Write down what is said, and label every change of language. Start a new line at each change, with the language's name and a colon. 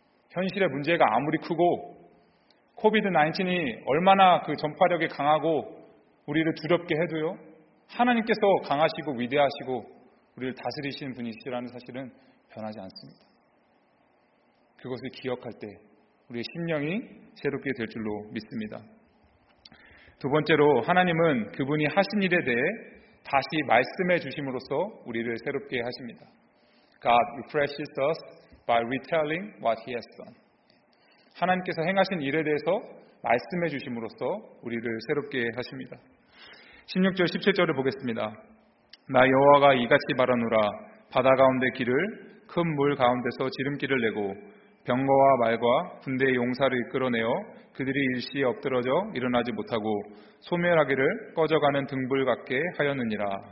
Korean: 현실의 문제가 아무리 크고 COVID-19이 얼마나 그 전파력이 강하고 우리를 두렵게 해도요, 하나님께서 강하시고 위대하시고 우리를 다스리시는 분이시라는 사실은 변하지 않습니다. 그것을 기억할 때 우리의 심령이 새롭게 될 줄로 믿습니다. 두 번째로, 하나님은 그분이 하신 일에 대해 다시 말씀해 주심으로써 우리를 새롭게 하십니다.
English: God refreshes us by retelling what he has done.
Korean: 하나님께서 행하신 일에 대해서 말씀해 주심으로써 우리를 새롭게 하십니다. 16절 17절을 보겠습니다. 나 여호와가 이같이 말하노라. 바다 가운데 길을, 큰 물 가운데서 지름길을 내고 병거와 말과 군대의 용사를 이끌어내어 그들이 일시 엎드러져 일어나지 못하고 소멸하기를 꺼져가는 등불 같게 하였느니라.